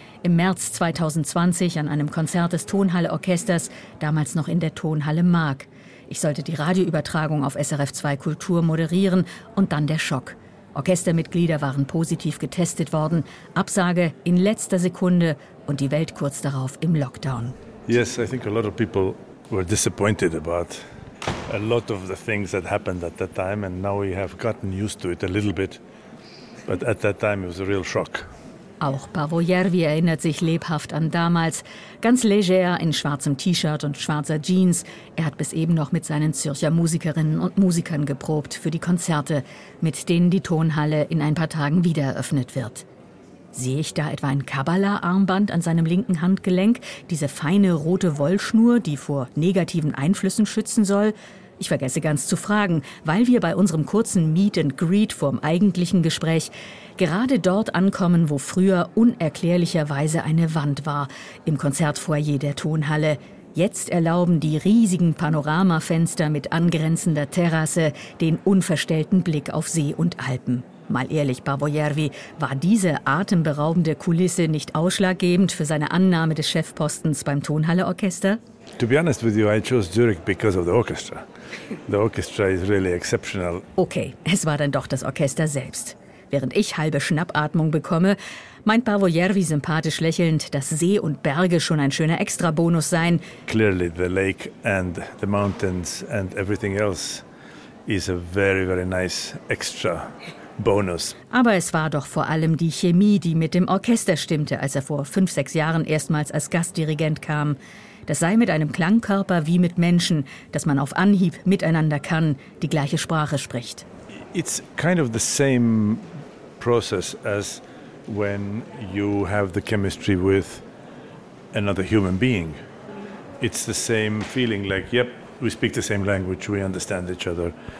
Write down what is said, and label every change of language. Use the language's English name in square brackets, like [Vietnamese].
[German] Im März 2020 an einem Konzert des Tonhalle-Orchesters, damals noch in der Tonhalle Mark. Ich sollte die Radioübertragung auf SRF 2 Kultur moderieren und dann der Schock. Orchestermitglieder waren positiv getestet worden. Absage in letzter Sekunde und die Welt kurz darauf im Lockdown. [English] Yes, I think a lot of people were disappointed about a lot of the things that happened at that time and now we have gotten used to it a little bit. But at that time it was a real shock. [German] Auch Paavo Järvi erinnert sich lebhaft an damals. Ganz leger, in schwarzem T-Shirt und schwarzer Jeans. Er hat bis eben noch mit seinen Zürcher Musikerinnen und Musikern geprobt für die Konzerte, mit denen die Tonhalle in ein paar Tagen wiedereröffnet wird. Sehe ich da etwa ein Kabbala-Armband an seinem linken Handgelenk? Diese feine rote Wollschnur, die vor negativen Einflüssen schützen soll? Ich vergesse ganz zu fragen, weil wir bei unserem kurzen Meet and Greet vorm eigentlichen Gespräch gerade dort ankommen, wo früher unerklärlicherweise eine Wand war, im Konzertfoyer der Tonhalle. Jetzt erlauben die riesigen Panoramafenster mit angrenzender Terrasse den unverstellten Blick auf See und Alpen. Mal ehrlich, Paavo Järvi, war diese atemberaubende Kulisse nicht ausschlaggebend für seine Annahme des Chefpostens beim Tonhalle-Orchester? [English] To be honest with you, I chose Zurich because of the orchestra. The orchestra is really exceptional. [German] Okay, es war dann doch das Orchester selbst. Während ich halbe Schnappatmung bekomme, meint Paavo Järvi sympathisch lächelnd, dass See und Berge schon ein schöner Extrabonus seien. [English] Clearly the lake and the mountains and everything else is a very, very nice extra bonus. [German] Aber es war doch vor allem die Chemie, die mit dem Orchester stimmte, als er vor 5, 6 Jahren erstmals als Gastdirigent kam. Das sei mit einem Klangkörper wie mit Menschen, dass man auf Anhieb miteinander kann, die gleiche Sprache spricht. [English] It's kind of the same process as when you have the chemistry with another human being. It's the same feeling like, yep, we speak the same language, we understand each other.